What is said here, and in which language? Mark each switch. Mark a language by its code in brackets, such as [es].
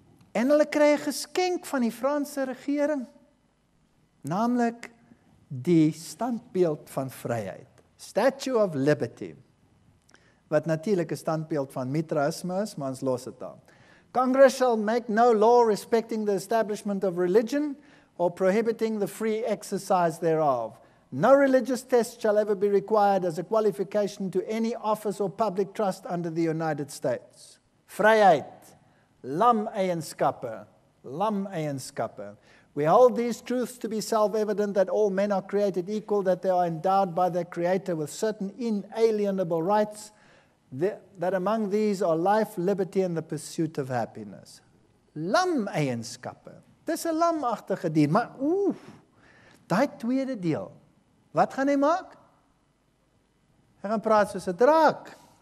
[af] En hulle kry 'n geskenk van die Franse regering, naamlik die standbeeld van vryheid, Statue of Liberty, wat natuurlik 'n standbeeld van mitraïsme is, maar ons los dit daar. [en] Congress shall make no law respecting the establishment of religion or prohibiting the free exercise thereof. No religious test shall ever be required as a qualification to any office or public trust under the United States. [af] Vryheid, lam eienskappe. [en] We hold these truths to be self-evident that all men are created equal, that they are endowed by their Creator with certain inalienable rights, that among these are life, liberty and the pursuit of happiness. [af] Lam eienskappe. Dis 'n lamagtige dier, maar oef, daai tweede deel, wat gaan hy maak? Hy gaan praat soos 'n draak.